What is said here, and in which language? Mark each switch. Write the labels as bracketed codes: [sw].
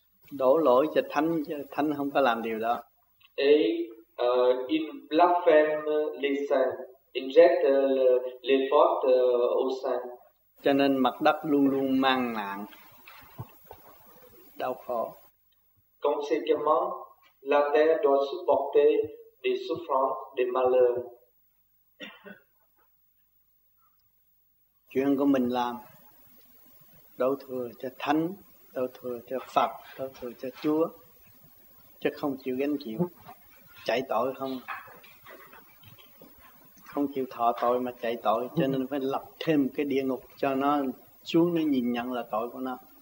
[vi] Đổ lỗi cho thánh, chứ thánh không có làm điều đó. [fr] Et ils blasphèment les saints, ils jettent les fautes aux saints. [vi] Cho nên mặt đất luôn luôn mang nạn, đau khổ. [fr] Conséquemment, la terre doit supporter des souffrances, des malheurs. [vi] Chuyện của mình làm, đổ thừa cho thánh, đổ thừa cho Phật, đổ thừa cho Chúa, chứ không chịu gánh chịu, chạy tội không, không chịu thọ tội mà chạy tội, cho nên phải lập thêm cái địa ngục cho nó, xuống nó nhìn nhận là tội của nó.